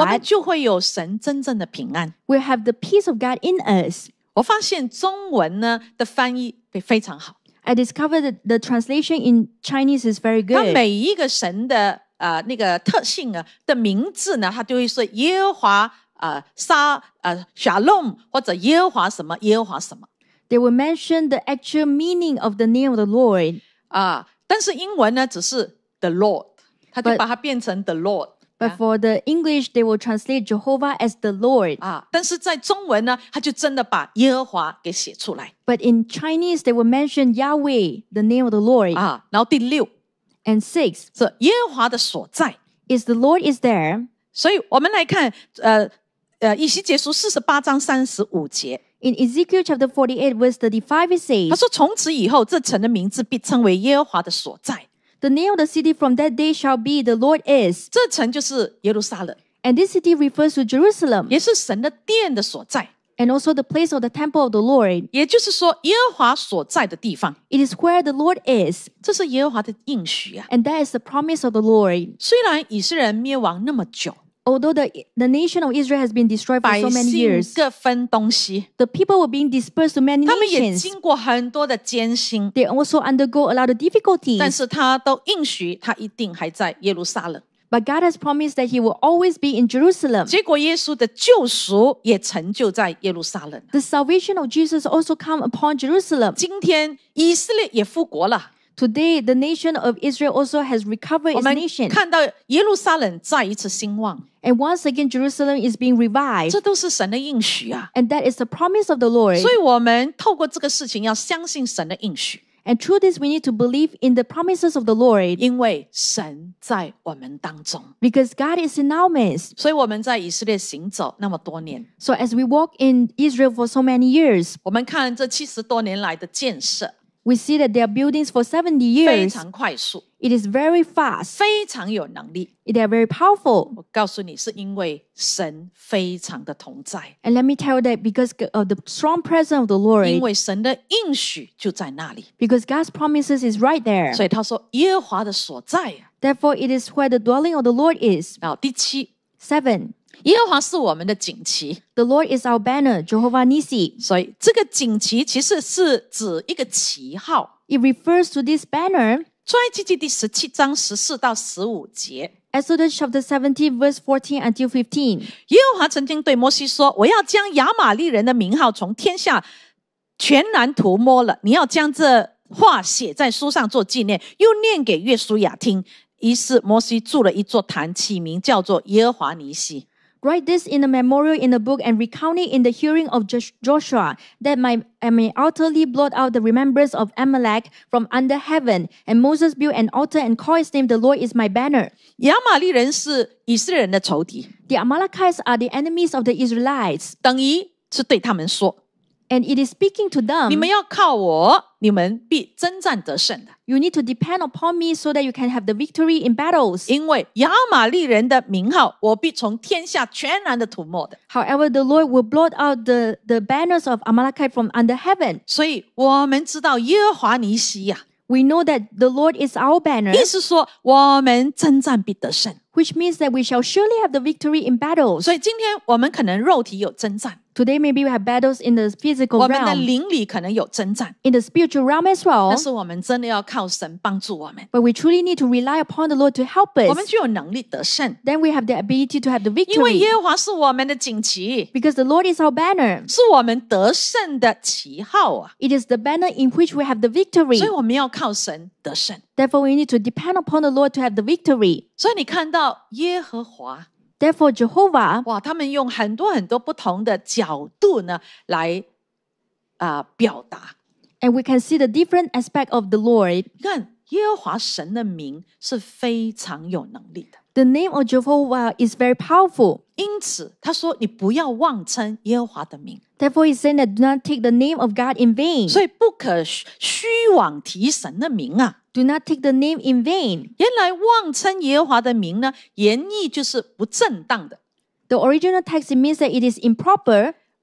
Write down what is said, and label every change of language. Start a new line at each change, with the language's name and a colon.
Chinese: 我们就会有神真正的平安。
English: We have the peace of God in us。
Chinese: 我发现中文呢的翻译非常好。
English: I discovered that the translation in Chinese is very good。
Chinese: 它每一个神的那个特性啊的名字呢，它就会说耶和华沙Shalom， 或者耶和华什么耶和华什么。
English: They will mention the actual meaning of the name of the Lord。
Chinese: 但是英文呢只是 the Lord， 他就把它变成 the Lord。
English: But for the English, they will translate Jehovah as the Lord。
Chinese: 但是在中文呢，他就真的把耶和华给写出来。
English: But in Chinese, they will mention Yahweh, the name of the Lord。
Chinese: 然后第六
English: and six
Chinese: 是耶和华的所在
English: is the Lord is there。
Chinese: 所以我们来看以西结书四十八章三十五节。
English: In Ezekiel chapter 48, verse 35, it says,
Chinese: 他说从此以后这城的名字必称为耶和华的所在。
English: The name of the city from that day shall be the Lord is.
Chinese: 这城就是耶路撒冷。
English: And this city refers to Jerusalem.
Chinese: 也是神的殿的所在。
English: And also the place of the temple of the Lord.
Chinese: 也就是说耶和华所在的地方。
English: It is where the Lord is.
Chinese: 这是耶和华的应许啊。
English: And that is the promise of the Lord.
Chinese: 虽然以色列灭亡那么久。
English: Although the nation of Israel has been destroyed for so many years,
Chinese: 百姓各分东西
English: the people were being dispersed to many nations.
Chinese: 他们也经过很多的艰辛
English: they also undergo a lot of difficulties.
Chinese: 但是他都应许他一定还在耶路撒冷
English: But God has promised that he will always be in Jerusalem.
Chinese: 结果耶稣的救赎也成就在耶路撒冷
English: The salvation of Jesus also come upon Jerusalem.
Chinese: 今天以色列也复国了
English: Today, the nation of Israel also has recovered its nation.
Chinese: 我们看到耶路撒冷再一次兴旺。
English: And once again, Jerusalem is being revived.
Chinese: 这都是神的应许啊。
English: And that is the promise of the Lord.
Chinese: 所以我们透过这个事情要相信神的应许。
English: And through this, we need to believe in the promises of the Lord.
Chinese: 因为神在我们当中。
English: Because God is in our midst.
Chinese: 所以我们在以色列行走那么多年。
English: So as we walk in Israel for so many years,
Chinese: 我们看这七十多年来的建设。
English: We see that their buildings for 70 years.
Chinese: 非常快速。
English: It is very fast.
Chinese: 非常有能力。
English: They are very powerful.
Chinese: 我告诉你，是因为神非常的同在。
English: And let me tell you that because of the strong presence of the Lord.
Chinese: 因为神的应许就在那里。
English: Because God's promises is right there.
Chinese: 所以他说，耶和华的所在。
English: Therefore, it is where the dwelling of the Lord is.
Chinese: 好，第七。
English: Seven.
Chinese: 耶和华是我们的旌旗
English: The Lord is our banner, Jehovah Nissi
Chinese: 所以这个旌旗其实是指一个旗号
English: It refers to this banner
Chinese: 出埃及记第十七章十四到十五节
English: Exodus chapter 17 verse 14 until 15
Chinese: 耶和华曾经对摩西说我要将亚玛利人的名号从天下全然涂抹了你要将这话写在书上做纪念又念给约书亚听于是摩西筑了一座坛起名叫做耶和华尼西
English: Write this in a memorial in a book and recount it in the hearing of Joshua, that I may utterly blot out the remembrance of Amalek from under heaven. And Moses built an altar and called his name, The Lord is my banner.
Chinese: 亚玛利人是以色列人的仇敌。
English: The Amalekites are the enemies of the Israelites.
Chinese: 等于是对他们说。
English: And it is speaking to them.
Chinese: 你们要靠我，你们必征战得胜的。
English: You need to depend upon me so that you can have the victory in battles.
Chinese: 因为亚玛利人的名号，我必从天下全然的涂抹的。
English: However, the Lord will blot out the banners of Amalekite from under heaven.
Chinese: 所以我们知道耶和华尼西啊。
English: We know that the Lord is our banner.
Chinese: 意思说我们征战必得胜。
English: Which means that we shall surely have the victory in battles.
Chinese: 所以今天我们可能肉体有征战。
English: Today maybe we have battles in the physical realm.
Chinese: 我们的灵里可能有征战。
English: In the spiritual realm as well.
Chinese: 但是我们真的要靠神帮助我们。
English: But we truly need to rely upon the Lord to help us.
Chinese: 我们就有能力得胜。
English: Then we have the ability to have the victory.
Chinese: 因为耶和华是我们的旌旗。
English: Because the Lord is our banner.
Chinese: 是我们得胜的旗号啊。
English: It is the banner in which we have the victory.
Chinese: 所以我们要靠神得胜。
English: Therefore we need to depend upon the Lord to have the victory.
Chinese: 所以你看到耶和华。
English: Therefore, Jehovah,
Chinese: 哇，他们用很多很多不同的角度呢来表达。
English: And we can see the different aspect of the Lord.
Chinese: 你看，耶和华神的名是非常有能力的。
English: The name of Jehovah is very powerful.
Chinese: 因此，他说你不要妄称耶和华的名。
English: Therefore, he's saying that do not take the name of God in vain.
Chinese: 所以不可虚妄提神的名啊。
English: Do not take the name in vain.
Chinese: 原来妄称耶和华的名呢，原意就是不正当的。
English: The original text means that it is improper.